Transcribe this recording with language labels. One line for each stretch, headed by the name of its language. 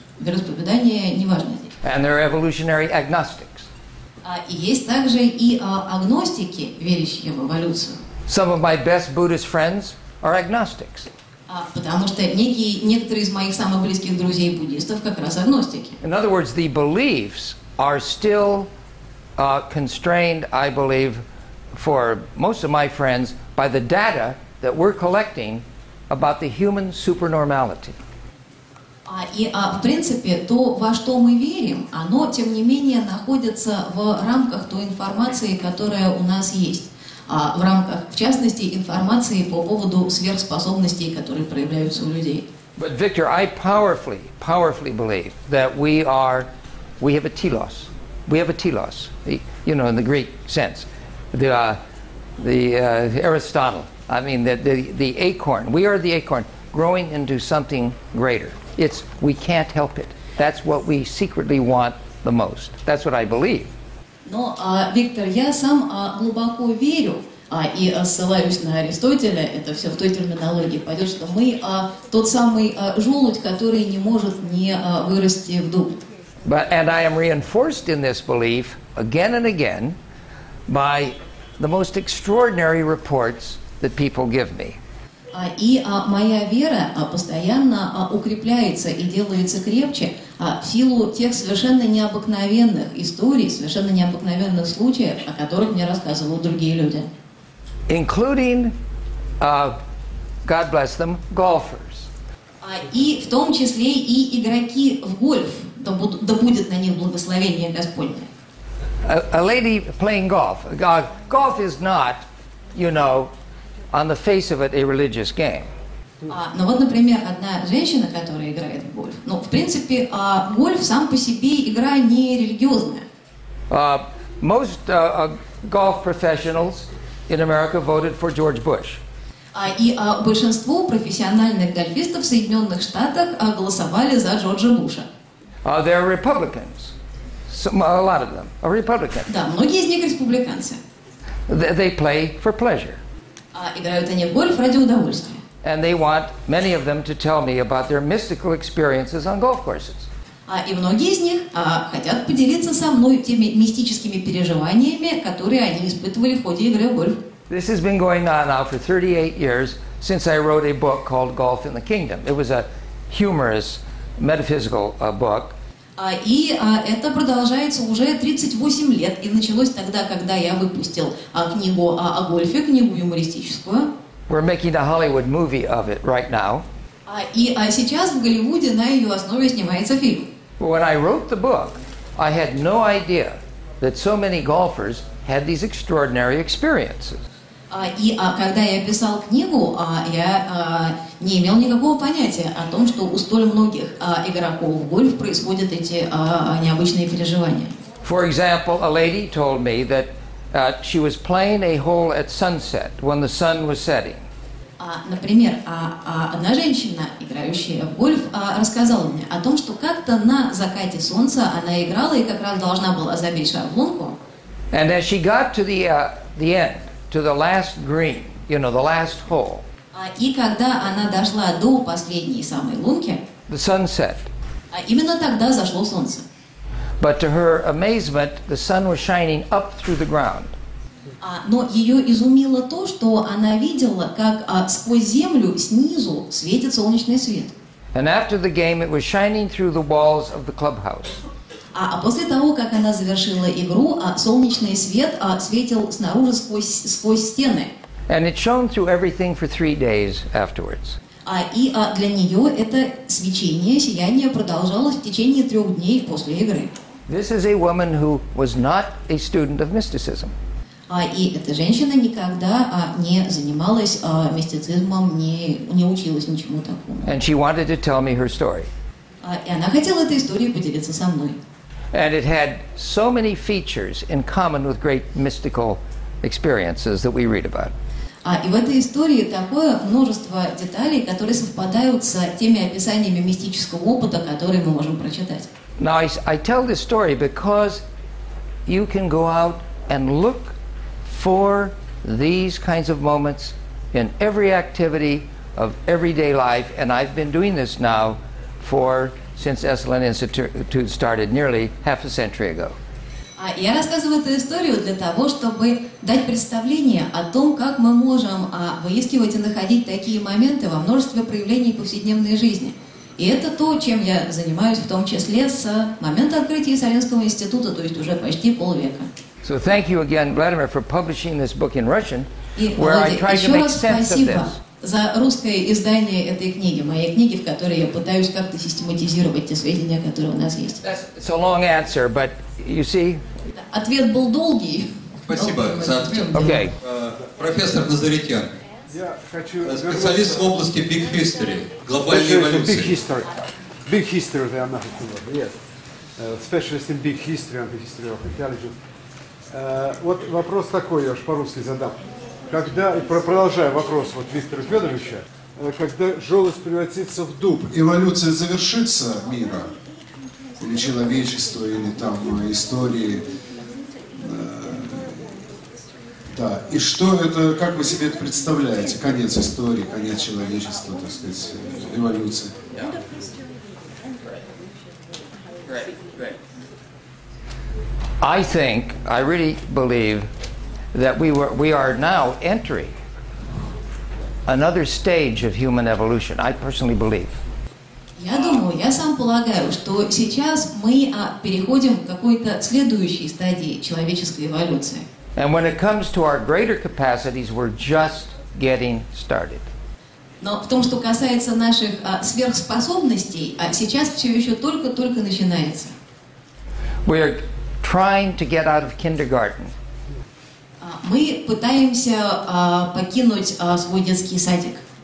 Russian: Вероисповедание не важно здесь.
English: And there are evolutionary agnostics.
Russian: Есть также и агностики, верящие в эволюцию.
English: Some of my best Buddhist friends are agnostics.
Russian: Потому что некоторые из моих самых близких друзей буддистов как раз агностики.
English: In other words, the beliefs are still constrained, I believe, for most of my friends by the data that we're collecting about the human supernormality.
Russian: В принципе, то, во что мы верим, оно, тем не менее, находится в рамках той информации, которая у нас есть. В рамках, в частности, информации по поводу сверхспособностей, которые проявляются у людей.
English: But Victor, I powerfully believe that we have a telos. We have a telos, you know, in the Greek sense, the Aristotle. I mean, the acorn. We are the acorn growing into something greater. It's we can't help it. That's what we secretly want the most. That's what I believe.
Russian: Но, Виктор, я сам глубоко верю и ссылаюсь на Аристотеля, это все в той терминологии, пойдет, что мы тот самый желудь, который не может не вырасти в дуб.
English: But, and I am reinforced in this belief again and again by the most extraordinary reports that people give me.
Russian: И моя вера постоянно укрепляется и делается крепче в силу тех совершенно необыкновенных историй, совершенно необыкновенных случаев, о которых мне рассказывают другие люди.
English: Including, God bless them, golfers.
Russian: И в том числе и игроки в гольф, да будет на них благословение Господне.
English: A lady playing golf. Golf is not, you know, on the face of it, a religious game.
Russian: Ну вот, например, одна женщина, которая играет в гольф. Ну, в принципе, гольф сам по себе игра не религиозная.
English: Most golf professionals in America voted for George Bush.
Russian: Большинство профессиональных гольфистов в Соединенных Штатах голосовали за Джорджа Буша.
English: They are Republicans. A lot of them are Republicans.
Russian: Да, многие из них республиканцы.
English: They play for pleasure.
Russian: Играют они в гольф ради удовольствия.
English: And they want many of them to tell me about their mystical experiences on golf courses.
Russian: И многие из них хотят поделиться со мной теми мистическими переживаниями, которые они испытывали в ходе игры в гольф.
English: This has been going on now for 38 years since I wrote a book called Golf in the Kingdom. It was a humorous, metaphysical book.
Russian: Это продолжается уже 38 лет, и началось тогда, когда я выпустил книгу о гольфе, книгу юмористическую.
English: We're making a Hollywood movie of it right now.
Russian: Сейчас в Голливуде на ее основе снимается фильм.
English: When I wrote the book, I had no idea that so many golfers had these extraordinary experiences.
Russian: Когда я писал книгу, не имел никакого понятия о том, что у столь многих игроков в гольф происходят эти необычные переживания.
English: For example, a lady told me that she was playing a hole at sunset when the sun was setting.
Russian: Например, одна женщина, играющая в гольф, рассказала мне о том, что как-то на закате солнца она играла и как раз должна была забить шарблонку.
English: And as she got to the end, to the last green, you know, the last hole.
Russian: И когда она дошла до последней самой лунки,
English: the sun set.
Russian: Именно тогда зашло солнце.
English: But to her amazement, the sun was shining up through the ground.
Russian: Но ее изумило то, что она видела, как сквозь землю снизу светит солнечный свет.
English: And after the game, it was shining through the walls of the clubhouse.
Russian: А после того, как она завершила игру, солнечный свет светил снаружи сквозь стены.
English: And it shone through everything for 3 days afterwards.
Russian: Для нее это свечение, сияние продолжалось в течение 3 дней после игры.
English: This is a woman who was not a student of mysticism.
Russian: Эта женщина никогда не занималась мистицизмом, не училась ничему такому.
English: And she wanted to tell me her story.
Russian: И она хотела этой историей поделиться со мной.
English: And it had so many features in common with great mystical experiences that we read about.
Russian: И в этой истории такое множество деталей, которые совпадают с теми описаниями мистического опыта, которые мы можем прочитать.
English: Now I tell this story because you can go out and look for these kinds of moments in every activity of everyday life, and I've been doing this now for since Esalen Institute started nearly half a century ago.
Russian: Я рассказываю эту историю для того, чтобы дать представление о том, как мы можем выискивать и находить такие моменты во множестве проявлений повседневной жизни. И это то, чем я занимаюсь в том числе с момента открытия Эсаленского института, то есть уже почти полвека.
English: So thank you again, Vladimir, for publishing this book in Russian, where I try to make sense of this.
Russian: За русское издание этой книги, моей книги, в которой я пытаюсь как-то систематизировать те сведения, которые у нас есть.
English: It's a long answer, but you see...
Russian: Ответ был долгий. Спасибо за ответ.
English: Okay.
Russian: Профессор Назаритян, специалист в области Big History, глобальной эволюции. Big History, я нахожу.
English: Yes. Specialist in Big History, and the History of Intelligence.
Russian: Вот вопрос такой, я уж по-русски задам. Когда, продолжая вопрос вот Виктора Федоровича, когда желудь превратится в дуб, эволюция завершится мира, или человечества, или там истории, да, и что это, как вы себе это представляете, конец истории, конец человечества, так сказать, эволюция?
English: I think, I really believe, that we are now entering another stage of human evolution. I personally believe.
Russian: Я думаю, поэтому я сам полагаю, что сейчас мы переходим к какой-то следующей стадии человеческой эволюции.
English: And when it comes to our greater capacities, we're just getting started.
Russian: Но в том, что касается наших сверхспособностей, сейчас все еще только-только начинается.
English: We are trying to get out of kindergarten.
Russian: Мы пытаемся покинуть свой детский садик.